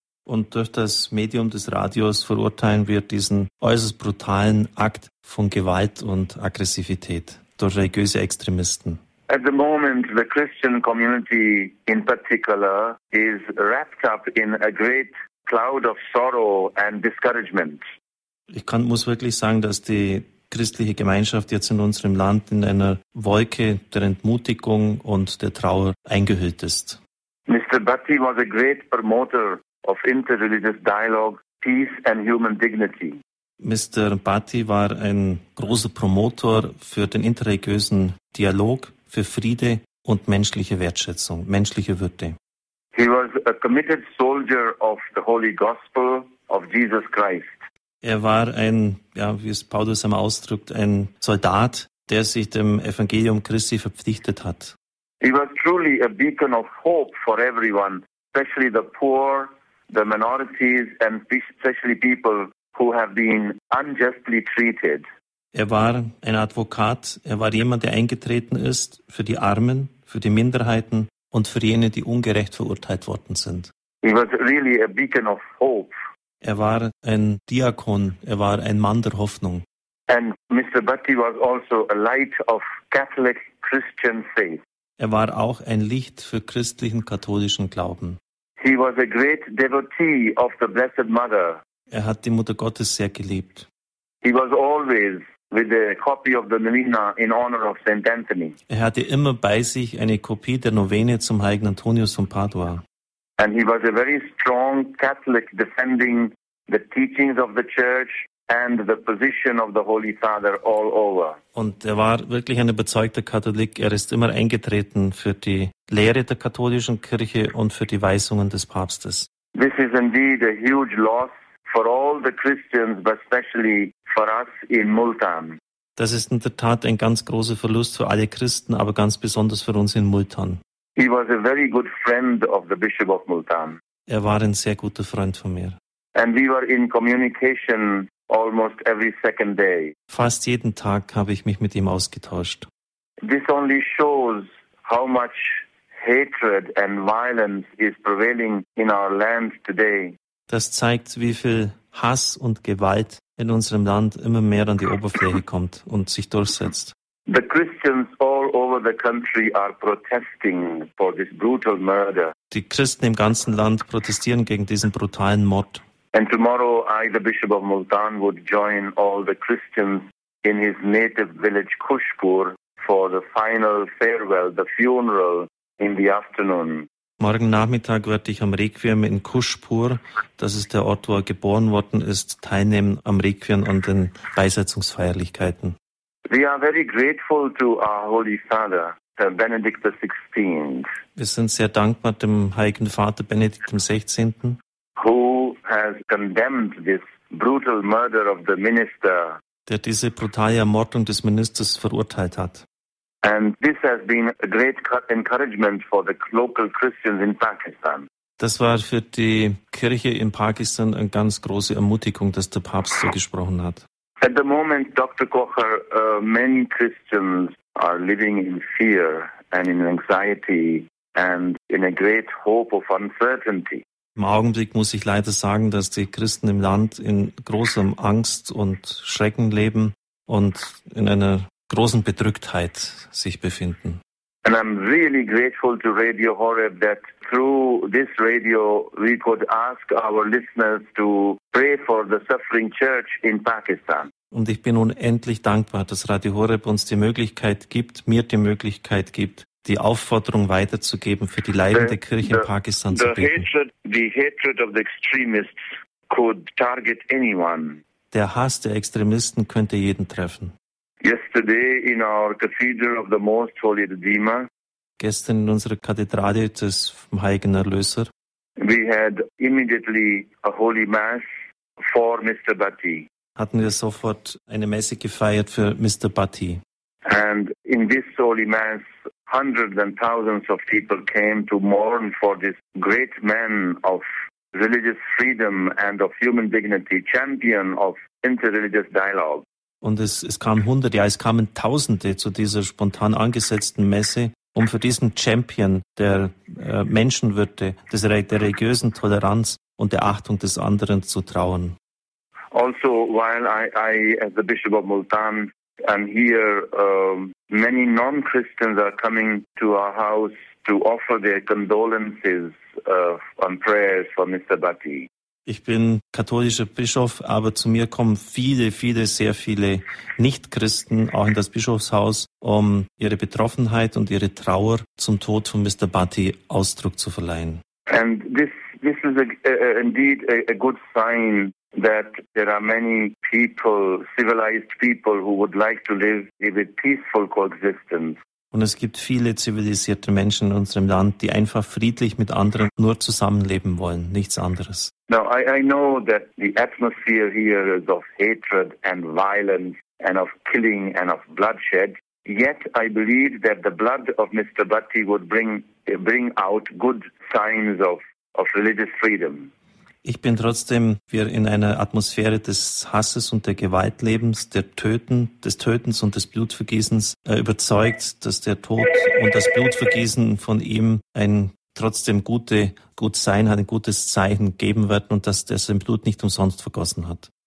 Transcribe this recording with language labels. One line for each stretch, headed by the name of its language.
German: Und durch das Medium des Radios verurteilen wir diesen äußerst brutalen Akt von Gewalt und Aggressivität durch religiöse Extremisten.
English: At the moment, the Christian community in particular is wrapped up in a great cloud of sorrow and discouragement.
German: Ich muss wirklich sagen, dass die christliche Gemeinschaft jetzt in unserem Land in einer Wolke der Entmutigung und der Trauer eingehüllt ist.
English: Mr. Bhatti was a great promoter of interreligious dialogue, peace and human dignity. Mr.
German: Bhatti war ein großer Promotor für den interreligiösen Dialog, für Friede und menschliche Wertschätzung, menschliche Würde.
English: He was a committed soldier of the Holy Gospel of Jesus Christ.
German: Er war ein, ja, wie es Paulus einmal ausdrückt, ein Soldat, der sich dem Evangelium Christi verpflichtet hat.
English: He was truly a beacon of hope for everyone, especially the poor, the minorities and especially people who have been unjustly treated.
German: Er war ein Advokat, er war jemand, der eingetreten ist für die Armen, für die Minderheiten und für jene, die ungerecht verurteilt worden sind.
English: He was really a beacon of hope.
German: Er war ein Diakon, er war ein Mann der Hoffnung.
English: And Mr. Bhatti was also a light of Catholic Christian faith.
German: Er war auch ein Licht für christlichen katholischen Glauben.
English: He was a great devotee of the Blessed Mother.
German: Er hat die Mutter Gottes sehr geliebt.
English: He was always with a copy of the Novena in honor of St. Anthony.
German: Er hatte immer bei sich eine Kopie der Novene zum heiligen Antonius von Padua.
English: And he was a very strong Catholic defending the teachings of the Church and the position of the Holy Father all over.
German: Und er war wirklich ein überzeugter Katholik. Er ist immer eingetreten für die Lehre der katholischen Kirche und für die Weisungen des Papstes.
English: This is indeed a huge loss for all the Christians, but especially for us in Multan.
German: Das ist in der Tat ein ganz großer Verlust für alle Christen, aber ganz besonders für uns in Multan.
English: He was a very good friend of the Bishop of Multan.
German: Er war ein sehr guter Freund von mir.
English: And we were in communication almost every second day.
German: Fast jeden Tag habe ich mich mit ihm ausgetauscht.
English: This only shows how much hatred and violence is prevailing in our land today.
German: Das zeigt, wie viel Hass und Gewalt in unserem Land immer mehr an die Oberfläche kommt und sich durchsetzt.
English: The Christians all over the country are protesting for this brutal murder.
German: Die Christen im ganzen Land protestieren gegen diesen brutalen Mord.
English: And tomorrow I, the Bishop of Multan, would join all the Christians in his native village Kushpur for the final farewell, the funeral in the afternoon.
German: Morgen Nachmittag werde ich am Requiem in Kushpur, das ist der Ort, wo er geboren worden ist, teilnehmen am Requiem und den Beisetzungsfeierlichkeiten.
English: We are very grateful to our Holy Father, Benedict XVI.
German: Wir sind sehr dankbar dem Heiligen Vater Benedikt XVI.
English: Who has condemned this brutal murder of the minister.
German: Der diese brutale Ermordung des Ministers verurteilt hat.
English: And this has been a great encouragement for the local Christians in Pakistan.
German: Das war für die Kirche in Pakistan eine ganz große Ermutigung, dass der Papst so gesprochen hat.
English: At the moment, Dr. Kocher, many Christians are living in fear and in anxiety and in a great hope of uncertainty.
German: Im Augenblick muss ich leider sagen, dass die Christen im Land in großer Angst und Schrecken leben und in einer großen Bedrücktheit sich befinden.
English: And I'm really grateful to Radio Horeb that through this radio we could ask our listeners to pray for the suffering church in Pakistan.
German: Und ich bin unendlich dankbar, dass Radio Horeb uns die Möglichkeit gibt, mir die Möglichkeit gibt, die Aufforderung weiterzugeben, für die leidende Kirche in Pakistan zu beten.
English: The hatred of the extremists could target anyone.
German: Der Hass der Extremisten könnte jeden treffen.
English: Yesterday in our Cathedral of the Most Holy Redeemer.
German: Gestern in unserer Kathedrale des Heiligen Erlöser.
English: We had immediately a holy mass for Mr. Bhatti.
German: Hatten wir sofort eine Messe gefeiert für Mr. Bhatti.
English: And in this holy mass, hundreds and thousands of people came to mourn for this great man of religious freedom and of human dignity, champion of interreligious dialogue.
German: Und es kamen Tausende zu dieser spontan angesetzten Messe, um für diesen Champion der Menschenwürde, der religiösen Toleranz und der Achtung des anderen zu trauern.
English: Also, while I, as the Bishop of Multan, am here, many non-Christians are coming to our house to offer their condolences and prayers for Mr. Bhatti.
German: Ich bin katholischer Bischof, aber zu mir kommen sehr viele Nicht-Christen, auch in das Bischofshaus, um ihre Betroffenheit und ihre Trauer zum Tod von Mr. Bhatti Ausdruck zu verleihen.
English: And this is indeed a good sign that there are many people, civilized people, who would like to live in a peaceful coexistence.
German: Und es gibt viele zivilisierte Menschen in unserem Land, die einfach friedlich mit anderen nur zusammenleben wollen, nichts anderes.
English: Now, I know that the atmosphere here is of hatred and violence and of killing and of bloodshed. Yet I believe that the blood of Mr. Bhatti would bring out good signs of religious freedom.
German: Ich bin trotzdem, wir in einer Atmosphäre des Hasses und der Gewaltlebens, der Töten, des Tötens und des Blutvergießens überzeugt, dass der Tod und das Blutvergießen von ihm ein trotzdem gutes Zeichen geben wird und dass er sein Blut nicht umsonst vergossen hat.